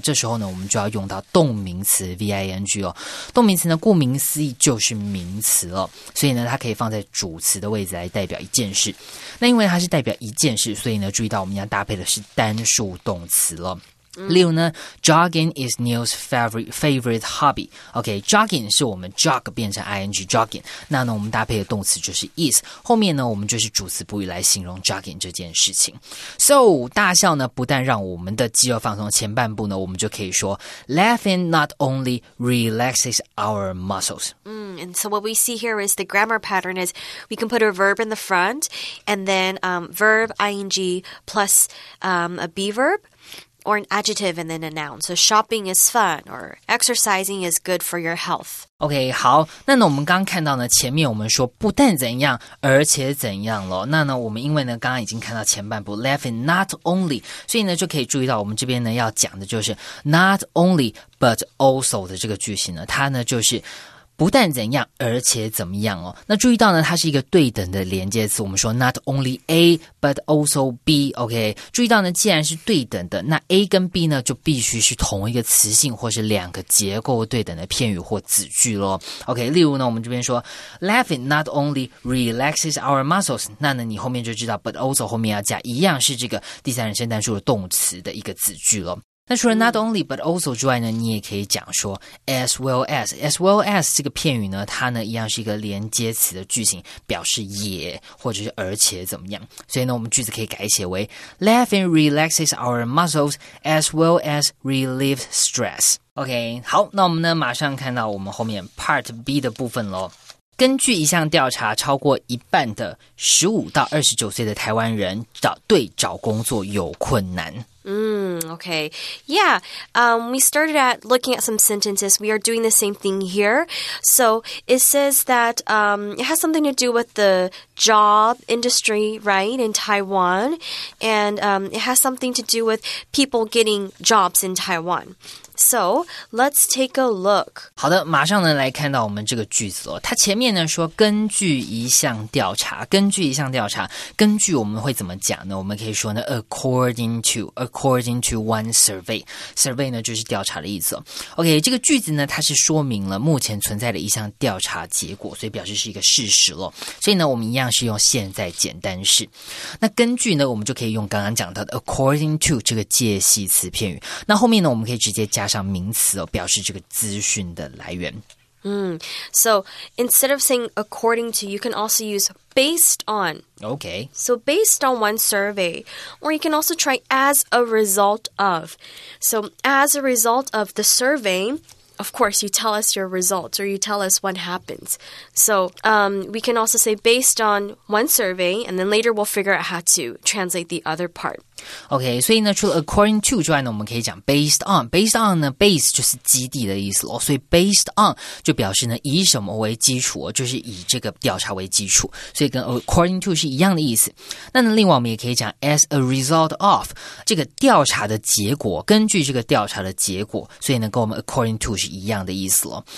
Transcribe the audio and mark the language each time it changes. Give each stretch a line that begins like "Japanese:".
Chinese: 这时候呢，我们就要用到动名词 ving 哦。动名词呢，顾名思义就是名词哦，所以呢，它可以放在主词的位置来代表一件事。那因为它是代表一件事，所以呢，注意到我们要搭配的是单数动词了。例如呢
English: ，jogging is Neil's favorite hobby. Okay, jogging
Chinese: 是我们
English: jog
Chinese: 变成
English: ing jogging.
Chinese: 那呢，我们搭配的动词就是 is. 后面呢，我们就是主词补语来形容 jogging 这件事情。 So 大笑呢，不但让我们的肌肉放松，前半部呢，我们就可以说
English: laughing not only relaxes our muscles. And so what we see here is the grammar pattern is we can put a verb in the front and then verb ing plus a be verb. Or an adjective and then a noun. So shopping is fun, or exercising is good for your health.
Chinese: Okay, 好，那呢，我们刚看到呢，前面我们说不但怎样，而且怎样了。那呢，我们因为呢，刚刚已经看到前半部
English: laughing not only,
Chinese: 所以呢，就可以注意到我们这边呢要讲的就是 not only but also 的这个句型呢，它呢就是。不但怎样，而且怎么样哦？那注意到呢，它是一个对等的连接词。我们说 not only A but also B， OK？注意到呢，既然是对等的，那 A 跟 B 呢就必须是同一个词性或是两个结构对等的片语或子句咯。 OK， 例如呢，我们这边说
English: laughing not only relaxes our muscles，
Chinese: 那呢你后面就知道 but also 后面要加一样是这个第三人称单数的动词的一个子句咯。那除了 not only but also 之外呢，你也可以讲说 as well as。 as well as 这个片语呢，它呢一样是一个连接词的句型，表示也或者是而且怎么样。所以呢，我们句子可以改写为
English: laughing relaxes our muscles as well as relieves stress。
Chinese: OK， 好，那我们呢马上看到我们后面 part B 的部分咯。根据一项调查，超过一半的15-29岁的台湾人找工作有困难。
English: Okay. Yeah. We started at looking at some sentences. We are doing the same thing here. So it says that it has something to do with the job industry, right, in Taiwan. And it has something to do with people getting jobs in Taiwan. So let's take a look.
Chinese: 好的，马上呢来看到我们这个句子哦。它前面呢说根据一项调查，根据一项调查，根据我们会怎么讲呢？我们可以说呢 according to
English: according to one survey.
Chinese: Survey 呢就是调查的意思。OK, 这个句子呢它是说明了目前存在的一项调查结果，所以表示是一个事实了。所以呢我们一样是用现在简单式。那根据呢我们就可以用刚刚讲到的 according to 这个介系词片语。那后面呢我们可以直接加上名词哦，表示这个资讯的来源。
English: So instead of saying according to, you can also use based on. Okay. So based on one survey, or you can also try as a result of. So as a result of the survey, of course, you tell us your results or you tell us what happens. So we can also say based on one survey, and then later we'll figure out how to translate the other part.
Chinese: OK, 所以呢除了 according to 之外呢我们可以讲 based on, based on 呢 base 就是基地的意思咯，所以 based on 就表示呢以什么为基础，就是以这个调查为基础，所以跟 according to 是一样的意思。那呢另外我们也可以讲 as a result of 这个调查的结果，根据这个调查的结果，所以呢跟我们 according to 是一样的意思咯。